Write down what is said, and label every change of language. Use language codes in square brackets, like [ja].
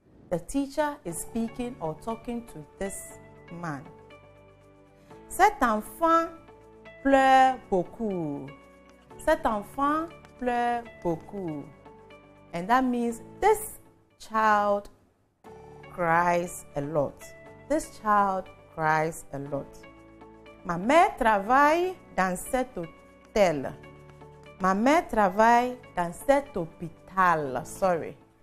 [en] The teacher is speaking or talking to this man. [fr] Cet enfant pleure beaucoup. Cet enfant pleure beaucoup. [en] And that means this child cries a lot. This child cries a lot. [fr] Ma mère travaille dans cet hôtel. Ma mère travaille dans cet hôpital. [en] Sorry.